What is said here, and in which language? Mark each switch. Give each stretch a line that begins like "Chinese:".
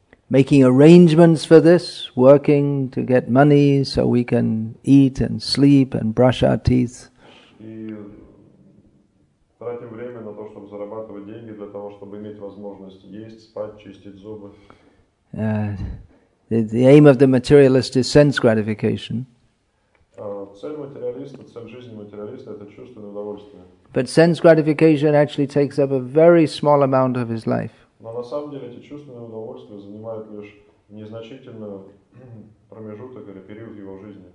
English: Making arrangements for this, working to get money so we can eat and sleep and brush our teeth.
Russian: Тратим время на то, чтобы зарабатывать деньги для того, чтобы иметь возможность есть, спать, чистить зубы.
English: The aim of the materialist is sense gratification.
Russian: Цель жизни материалиста – это чувственное удовольствие.
English: But sense gratification actually takes up a very small amount of his life.
Russian: Но на самом деле эти чувственные удовольствия занимают лишь незначительную промежуток или период его жизни.